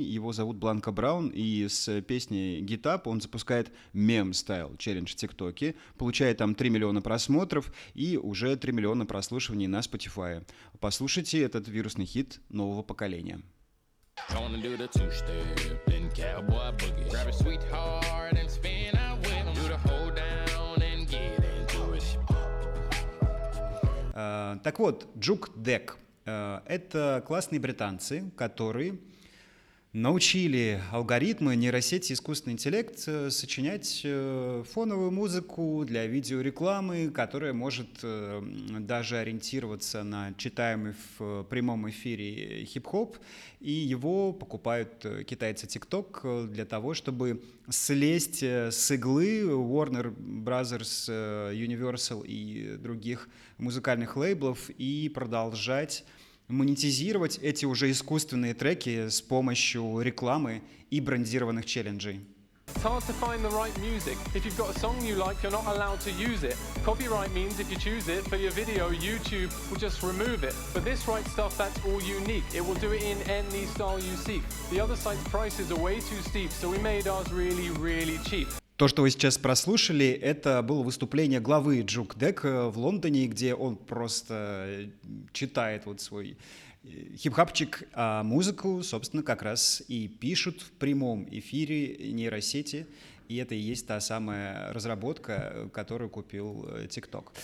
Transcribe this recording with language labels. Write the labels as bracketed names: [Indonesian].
[Russian] Его зовут Бланка Браун, и с песней «Get Up» он запускает мем-стайл челлендж в ТикТоке, получает там 3 миллиона просмотров и уже 3 миллиона прослушиваний на Spotify. Послушайте этот вирусный хит нового поколения. [English] Gonna do the two-step, then cowboy boogie. Grab a sweetheart and spin out with him. Do the hold down and get into it. [Russian] Так вот, Джук Дек. Это классные британцы, которые научили алгоритмы нейросети искусственный интеллект сочинять фоновую музыку для видеорекламы, которая может даже ориентироваться на читаемый в прямом эфире хип-хоп, и его покупают китайцы TikTok для того, чтобы слезть с иглы Warner Brothers, Universal и других музыкальных лейблов и продолжать монетизировать эти уже искусственные треки с помощью рекламы и брендированных челленджей. [English] It's hard to find the right music. If you've got a song you like, you're not allowed to use it. Copyright means if you choose it for your video, YouTube will just remove it. But this right stuff, that's all unique. It will do it in any style you seek. The other site's prices are way too steep, so we made ours really, really cheap. [Russian] То, что вы сейчас прослушали, это было выступление главы Джук Дек в Лондоне, где он просто читает вот свой хип-хапчик, а музыку, собственно, как раз и пишут в прямом эфире нейросети. И это и есть та самая разработка, которую купил TikTok.